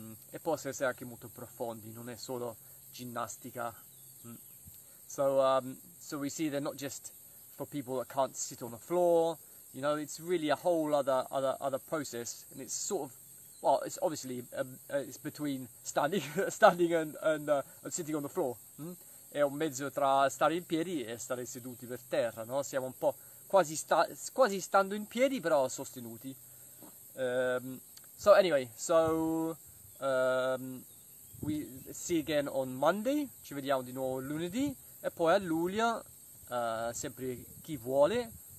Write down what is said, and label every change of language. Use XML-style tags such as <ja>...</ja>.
<it>E possono essere anche molto profondi, non è solo ginnastica.</it> <en>So we see they're not just for people that can't sit on the floor. You know, it's really a whole other process, and it's sort of, well, it's obviously it's between standing and sitting on the floor.</en> <it>È un mezzo tra stare in piedi e stare seduti per terra, no? Siamo un po' quasi stando in piedi, però sostenuti.</it> <en>We see again on Monday.</en> <it>Ci vediamo di nuovo lunedì, e poi a luglio, sempre chi vuole.</it>